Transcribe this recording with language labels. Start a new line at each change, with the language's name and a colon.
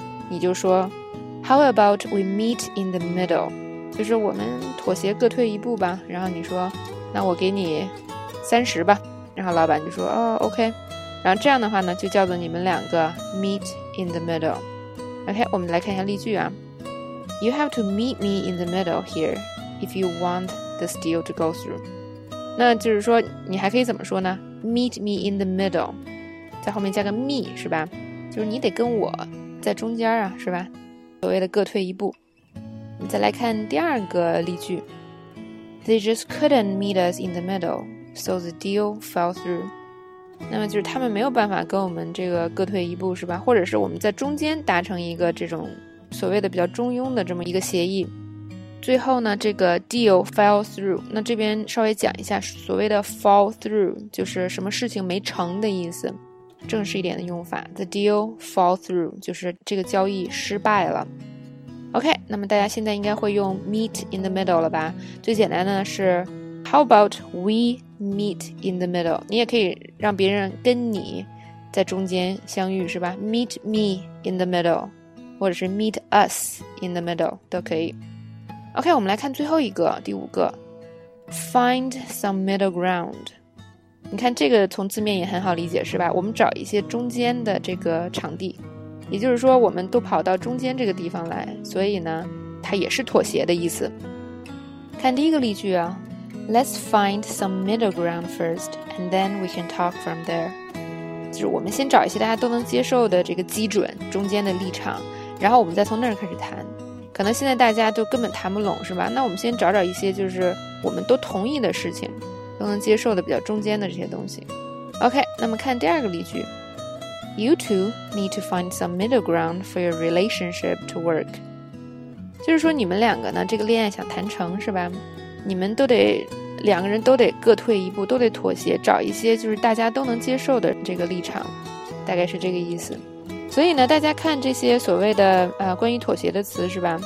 Chinese: 你就说
English: How about we meet in the middle，
Chinese: 就是我们妥协各退一步吧。然后你说那我给你30吧，然后老板就说哦 ，OK， 然后这样的话呢，就叫做你们两个 meet in the middle。 OK， 我们来看一下例句啊。
English: You have to meet me in the middle here if you want this deal to go through。
Chinese: 那就是说，你还可以怎么说呢 ？
English: Meet me in the middle，
Chinese: 在后面加个 me 是吧？就是你得跟我在中间啊，是吧？所谓的各退一步。我们再来看第二个例句。
English: They just couldn't meet us in the middle, so the deal fell through.
Chinese: 那么就是他们没有办法跟我们这个各退一步，是吧？或者是我们在中间达成一个这种所谓的比较中庸的这么一个协议。最后呢，这个 deal fell through。那这边稍微讲一下，所谓的 fall through 就是什么事情没成的意思。正式一点的用法 ，the deal fall through 就是这个交易失败了。 OK， 那么大家现在应该会用 meet in the middle 了吧？最简单的是
English: How about we meet in the middle？
Chinese: 你也可以让别人跟你在中间相遇，是吧 ？
English: Meet me in the middle，
Chinese: 或者是 meet us in the middle 都可以。 OK, 我们来看最后一个，第五个。
English: Find some middle ground.
Chinese: 你看这个从字面也很好理解，是吧？我们找一些中间的这个场地。也就是说，我们都跑到中间这个地方来，所以呢，它也是妥协的意思。看第一个例句啊。
English: Let's find some middle ground first, and then we can talk from there.
Chinese: 就是我们先找一些大家都能接受的这个基准，中间的立场，然后我们再从那儿开始谈。可能现在大家都根本谈不拢，是吧？那我们先找找一些就是我们都同意的事情，都能接受的比较中间的这些东西。 OK, 那么看第二个例句。
English: You two need to find some middle ground for your relationship to work.
Chinese: 就是说你们两个呢，这个恋爱想谈成，是吧？你们都得，两个人都得各退一步，都得妥协，找一些就是大家都能接受的这个立场，大概是这个意思。所以呢，大家看这些所谓的关于妥协的词，是吧？